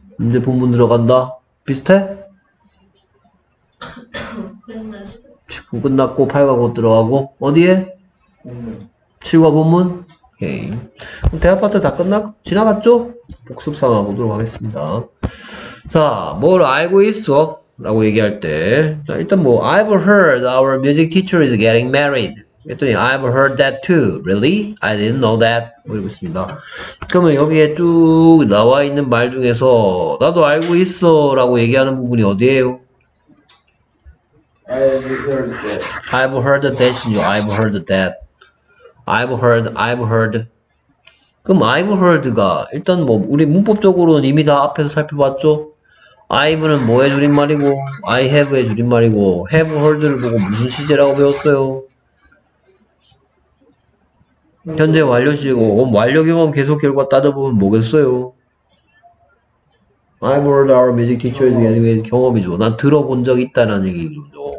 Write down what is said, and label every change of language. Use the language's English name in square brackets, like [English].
[Korean] 이제 본문 들어간다. 비슷해? 10분 끝났고 8과 곧 들어가고 어디에? 7과 본문? 오케이. 그럼 대화 파트 다 끝났고 지나갔죠? 복습 삼아 보도록 하겠습니다. 자, 뭘 알고 있어? 라고 얘기할 때, 자, 일단 뭐 [English] I've heard our music teacher is getting married [Korean] 했더니 [English] I've heard that too. Really? I didn't know that. [Korean] 뭐 이러고 있습니다. 그러면 여기에 쭉 나와 있는 말 중에서 나도 알고 있어 라고 얘기하는 부분이 어디예요? [English] I've heard that. I've heard that. I've heard that. I've heard. I've heard. [Korean] 그럼 I've heard가 일단 뭐 우리 문법적으로는 이미 다 앞에서 살펴봤죠? I've는 뭐의 줄임말이고 I have의 줄임말이고 have heard를 보고 무슨 시제라고 배웠어요? 현재 완료시고 완료 경험 계속 결과 따져보면 뭐겠어요? [English] I've heard our music teacher is getting it. [Korean] 경험이 좋아. 난 들어본 적 있다라는 얘기죠.